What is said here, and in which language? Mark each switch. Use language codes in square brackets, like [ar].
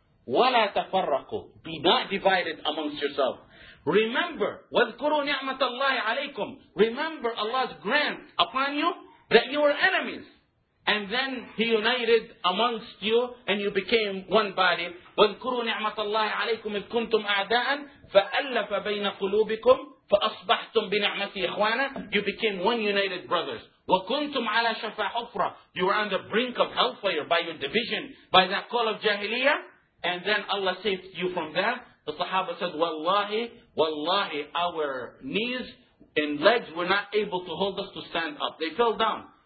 [ar] "Wa la tafarraqu," [en] be not divided amongst yourself. "Remember," [ar] "Wadhkuru ni'matallahi alaykum," [en] remember Allah's grant upon you that you were enemies. and then he united amongst you and you became one body. [ar] واذكروا نعمة الله عليكم إذ كنتم أعداء فألف بين قلوبكم فأصبحتم بنعمتي إخوانا. [en] You became one united brothers. [ar] وكنتم على شفا حفرة. [en] You were on the brink of hellfire by your division, by that call of jahiliyyah. And then Allah saved you from that. The Sahaba said, Wallahi, Wallahi, our knees and legs were not able to hold us to stand up. They fell down.